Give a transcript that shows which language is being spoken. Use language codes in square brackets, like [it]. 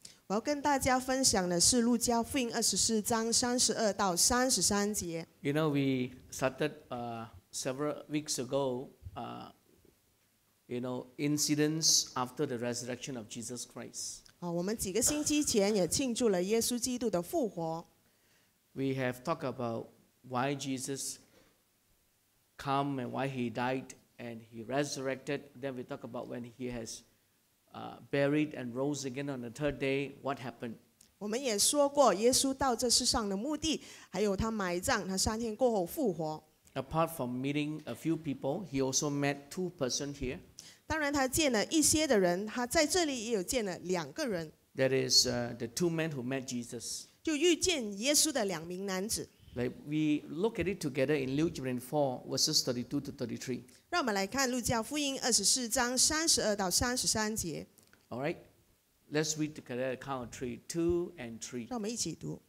[zh] 我要跟大家分享的是路加福音24:32-33. [en] You know, we started several weeks ago, incidents after the resurrection of Jesus Christ. [zh] 我们几个星期前也庆祝了耶稣基督的复活。 [en] We have talked about why Jesus come and why he died and he resurrected. Then we talk about when he has buried and rose again on the third day, what happened. [zh] 我们也说过耶稣到这世上的目的，还有他埋葬，他三天过后复活。 [en] Apart from meeting a few people, he also met two persons here. [zh] 当然他见了一些的人，他在这里也有见了两个人。 [en] That is the two men who met Jesus. [zh] 就遇见耶稣的两名男子。 [en] Like we look at it together in Luke 24:32-33. [zh] 让我们来看路加福音24:32-33. [en] All right, let's read together. Count three, two and three. [zh] 让我们一起读。